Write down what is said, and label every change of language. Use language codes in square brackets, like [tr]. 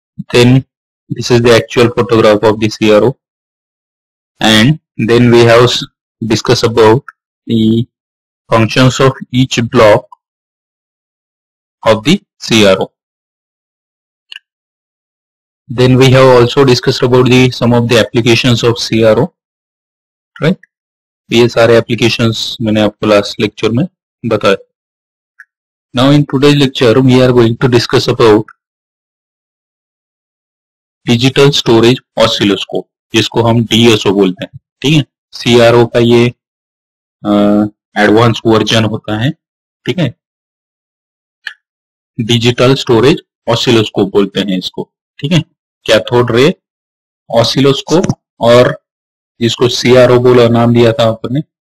[en] Then this is the actual photograph of the CRO, and then we have discussed about the functions of each block of the CRO. Then we have also discussed about the some of the applications of CRO, right? [hi] PSRA applications मैंने आपको [en] last lecture [hi] में बताया. [en] Now in today's lecture we are going to discuss about digital storage oscilloscope, [hi] जिसको हम DSO बोलते हैं, ठीक है? CRO का ये एडवांस वर्जन होता है, ठीक है? डिजिटल स्टोरेज ऑसिलोस्कोप बोलते हैं इसको, ठीक है? कैथोड रे ऑसिलोस्कोप, और इसको सीआरओ बोला, नाम दिया था आपने.